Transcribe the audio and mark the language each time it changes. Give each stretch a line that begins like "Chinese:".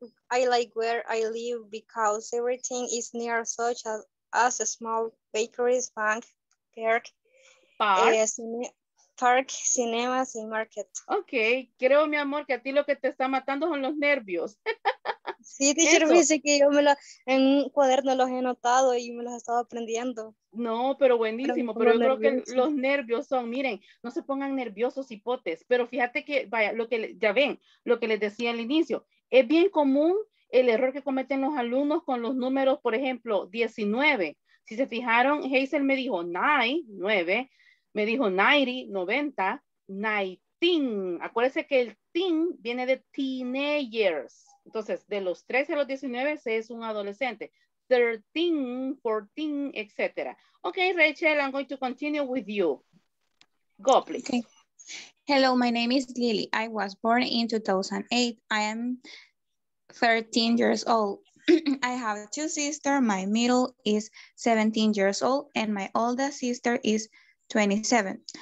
English: I like where I live because everything is near, such as a small bakeries, bank, park, cinemas y market.
Spanish: Okay, creo, mi amor, que a ti lo que te está matando son los nervios. Sí, teacher, me dice que yo me lo, en un cuaderno los he anotado y me los he estado aprendiendo. No, pero buenísimo, pero yo creo que los nervios son, miren, no se pongan nerviosos, hipotes, pero fíjate que, vaya, lo que, ya ven, lo que les decía al inicio, es bien común el error que cometen los alumnos con los números, por ejemplo, 19. Si se fijaron, Hazel me dijo 9, me dijo 19. Acuérdense que el teen viene de teenagers. Entonces, de los 13 a los 19, se es un adolescente. 13, 14, etc.
English: Okay, Rachel, I'm going to continue with you. Go, please. Okay. Hello, my name is Lily. I was born in 2008. I am 13 years old. I have two sisters. My middle is 17 years old, and my oldest sister is 27.